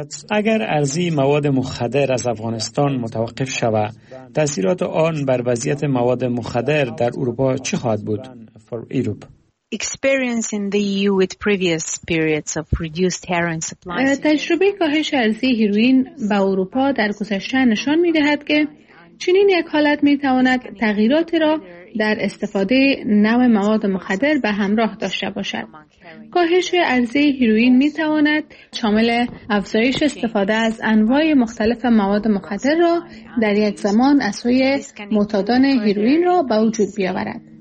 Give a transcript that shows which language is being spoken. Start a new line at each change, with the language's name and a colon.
Persian: اگر عرضه مواد مخدر از افغانستان متوقف شود، تأثیرات آن بر وضعیت مواد مخدر در اروپا چه خواهد بود؟
English: Experience in the EU with previous periods of reduced heroin supply.
Persian: تجربه کاهش ارزی هیروئین با اروپا در گذشته نشان می‌دهد که چنین یک حالت می‌تواند تغییرات را در استفاده نوع مواد مخدر به همراه داشته باشد. کاهش ارزی هیروئین می‌تواند شامل افزایش استفاده از انواع مختلف مواد مخدر را در یک زمان از سوی معتادان هیروئین را به وجود بیاورد.